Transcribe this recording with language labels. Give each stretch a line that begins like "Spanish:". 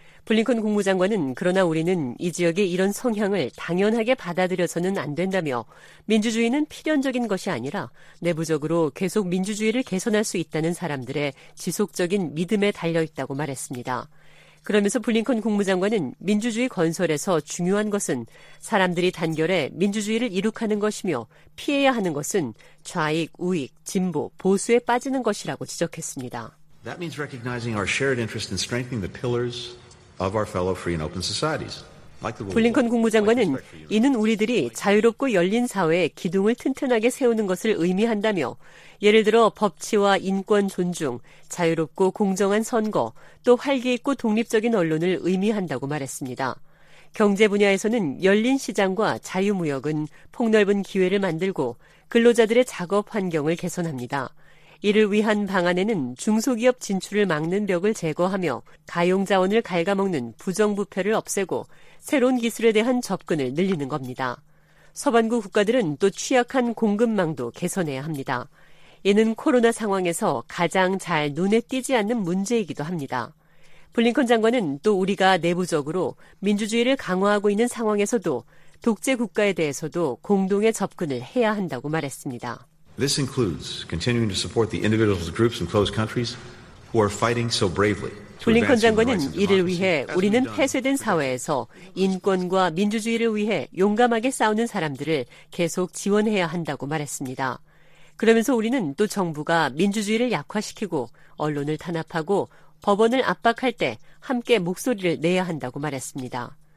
Korean: 블링컨 국무장관은 그러나 우리는 이 지역의 이런 성향을 당연하게 받아들여서는 안 된다며 민주주의는 필연적인 것이 아니라 내부적으로 계속 민주주의를 개선할 수 있다는 사람들의 지속적인 믿음에 달려있다고 말했습니다. 그러면서 블링컨 국무장관은 민주주의 건설에서 중요한 것은 사람들이 단결해 민주주의를 이룩하는 것이며 피해야 하는 것은 좌익, 우익, 진보, 보수에 빠지는 것이라고 지적했습니다.
English: That means recognizing our shared interest and strengthening the pillars of our fellow free and open societies.
Korean: 블링컨 국무장관은 이는 우리들이 자유롭고 열린 사회의 기둥을 튼튼하게 세우는 것을 의미한다며 예를 들어 법치와 인권 존중, 자유롭고 공정한 선거, 또 활기 있고 독립적인 언론을 의미한다고 말했습니다. 경제 분야에서는 열린 시장과 자유무역은 폭넓은 기회를 만들고 근로자들의 작업 환경을 개선합니다. 이를 위한 방안에는 중소기업 진출을 막는 벽을 제거하며 가용자원을 갉아먹는 부정부패를 없애고 새로운 기술에 대한 접근을 늘리는 겁니다. 서반구 국가들은 또 취약한 공급망도 개선해야 합니다. 이는 코로나 상황에서 가장 잘 눈에 띄지 않는 문제이기도 합니다. 블링컨 장관은 또 우리가 내부적으로 민주주의를 강화하고 있는 상황에서도 독재 국가에 대해서도 공동의 접근을 해야 한다고 말했습니다.
English: This includes continuing to support the individuals, groups, and closed countries who are fighting so bravely.
Korean: 블링컨 장관은 이를 위해 우리는 폐쇄된 사회에서 인권과 민주주의를 위해 용감하게 싸우는 사람들을 계속 지원해야 한다고 말했습니다. 그러면서 우리는 또 정부가 민주주의를 약화시키고 언론을 탄압하고 법원을 압박할 때 함께 목소리를 내야 한다고 말했습니다.